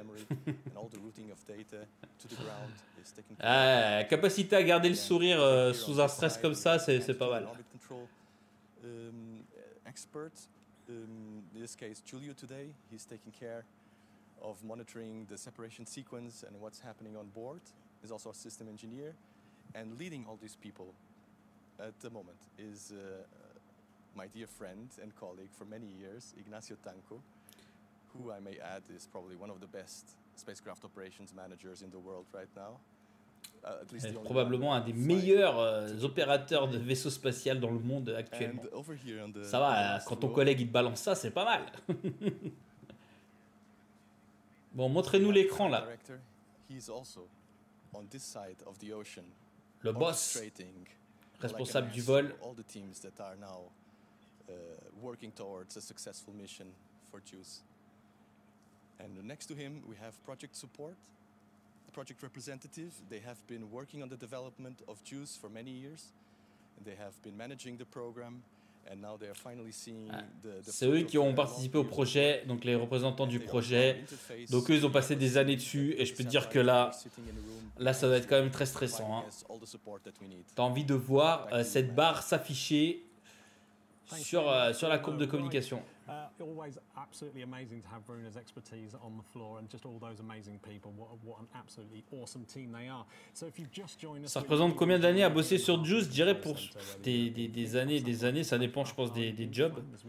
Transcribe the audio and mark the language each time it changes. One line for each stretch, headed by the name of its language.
English: And all the routing of data to the ground is taken care of.
French: Capacité à garder le sourire sous un stress comme ça, c'est pas mal.
English: Expert, in this case, Julio today, he's taking care of monitoring the separation sequence and what's happening on board. He's also a system engineer and leading all these people. At the moment is my dear friend and colleague for many years, Ignacio Tanco, who I may add is probably one of the best spacecraft operations managers in the world right now. At least
French: probablement un des meilleurs opérateurs de vaisseau spatial dans le monde actuellement.
English: And over here on the
French: ça va, quand ton collègue il te balance ça, c'est pas mal. Bon, montrez-nous l'écran là.
English: He's also on this side of the ocean.
French: Le boss. Responsable du vol.
English: All the teams that are now working towards a successful mission for JUICE. And next to him, we have project support, the project representative. They have been working on the development of JUICE for many years. And they have been managing the program, and now they are finally seeing the
French: c'est eux qui ont participé au projet, donc les représentants du projet. Donc eux, ils ont passé des années dessus, et je peux te dire que là, ça va être quand même très stressant. Hein. T'as envie de voir cette barre s'afficher sur la courbe de communication.
English: Always absolutely amazing to have Bruno's expertise on the floor and just all those amazing people. What an absolutely awesome team they are. So if you've just joined us,
French: ça représente combien d'années à bosser sur JUICE? Je dirais pour des années, ça dépend, je pense, des jobs.